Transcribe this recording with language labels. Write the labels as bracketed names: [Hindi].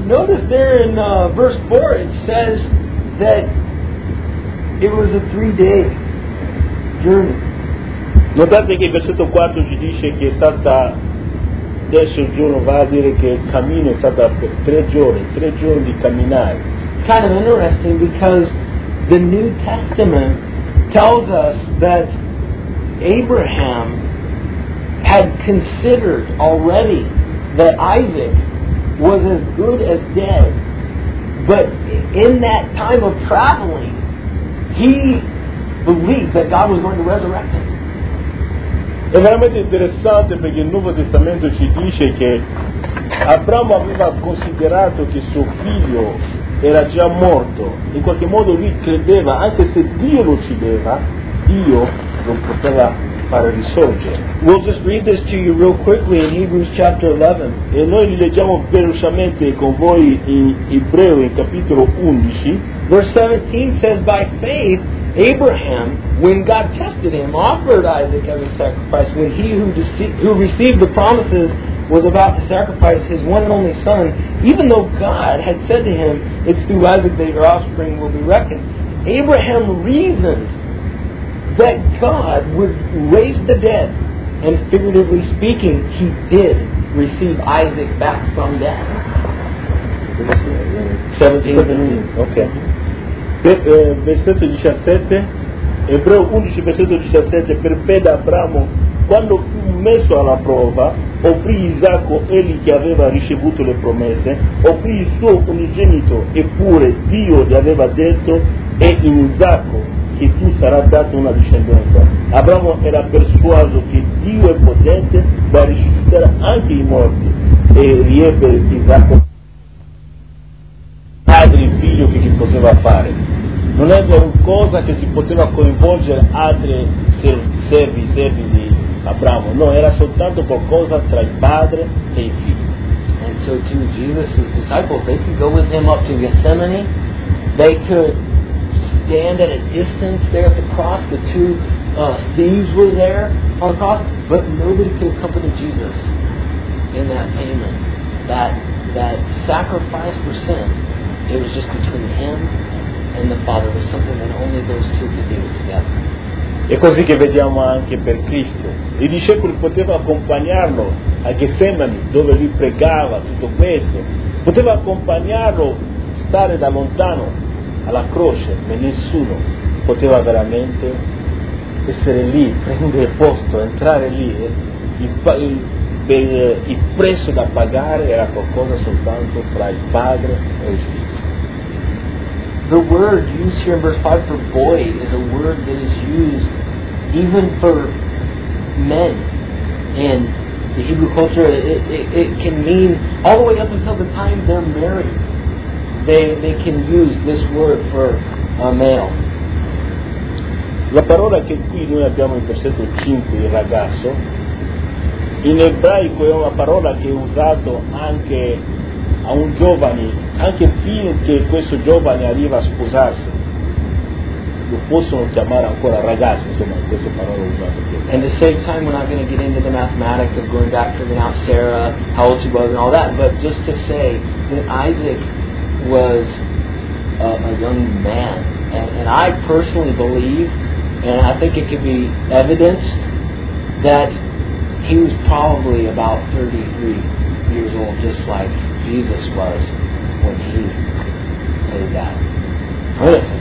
[English] Notice there in verse 4 it says that it was a 3-day journey. [Italian] Notate che il versetto 4 ci dice che è stata adesso il giorno va a dire che il cammino è stato per tre giorni di camminare. [English] It's kind of interesting because the New Testament tells us that Abraham had considered already that Isaac was as good as dead, but in that time of traveling, he believed that God was going to resurrect him. [Italian] È veramente interessante perché il Nuovo Testamento ci dice che Abramo aveva considerato che suo figlio era già morto. In qualche modo lui credeva, anche se Dio lo uccideva, Dio non poteva fare risorgere. [English] We'll just read this to you real quickly in Hebrews chapter 11. [Italian] E noi li leggiamo velocemente con voi in Ebreo, in capitolo 11. [English] Verse 17 says, by faith Abraham, when God tested him, offered Isaac as a sacrifice, when he who received the promises was about to sacrifice his one and only son, even though God had said to him, it's through Isaac that your offspring will be reckoned. Abraham reasoned that God would raise the dead, and figuratively speaking, he did receive Isaac back from death. 17. Okay. [Italian] Versetto 17, Ebreo 11, versetto 17, per fede Abramo, quando fu messo alla prova, offrì Isacco, egli che aveva ricevuto le promesse, offrì il suo unigenito, eppure Dio gli aveva detto, è in Isacco che tu sarà dato una discendenza. Abramo era persuaso che Dio è potente da risuscitare anche i morti, e riebbe Isacco padre e figlio che poteva fare. Non è qualcosa che si poteva coinvolgere altri servi di Abramo, no, era soltanto qualcosa tra il padre e il figlio. [English] And so too Jesus' disciples, they could go with him up to Gethsemane, they could stand at a distance there at the cross, the two thieves were there on the cross, but nobody could accompany Jesus in that payment, that sacrifice for sin. It was just between him and the Father. It was something that only those two could do together. [Italian] È così che vediamo anche per Cristo. I discepoli potevano accompagnarlo a Getsemani, dove lui pregava tutto questo. Poteva accompagnarlo, stare da lontano alla croce, ma nessuno poteva veramente essere lì, prendere posto, entrare lì. Il prezzo da pagare era qualcosa soltanto fra il Padre e il Figlio. [English] The word used here in verse 5 for boy is a word that is used even for men in the Hebrew culture. It can mean all the way up until the time they're married. They can use this word for a male. [Italian] La parola che qui noi abbiamo in versetto 5, il ragazzo, in ebraico è una parola che è usato anche a un giovane, anche fino che questo giovane arriva a sposarsi, lo possono chiamare ancora ragazzo, insomma, questa parola usata. [English] And to save time, we're not going to get into the mathematics of going back to the Aunt Sarah, how old she was and all that, but just to say that Isaac was a young man, and I personally believe, and I think it could be evidenced, that he was probably about 33 years old, just like Jesus was when he did that.